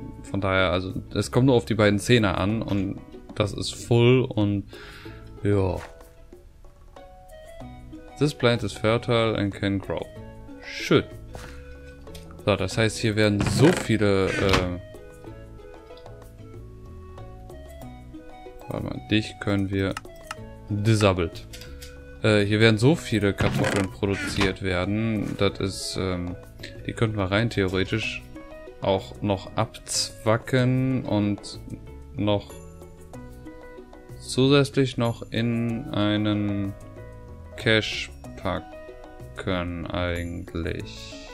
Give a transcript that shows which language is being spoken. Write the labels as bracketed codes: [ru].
[de] Von daher, also es kommt nur auf die beiden Zähne an und das ist voll und ja. [en] This plant is fertile and can grow. [de] Schön. So, das heißt, hier werden so viele warte mal, dich können wir disabled. Hier werden so viele Kartoffeln produziert werden, das ist die könnten wir rein theoretisch auch noch abzwacken und noch zusätzlich noch in einen Cache packen eigentlich.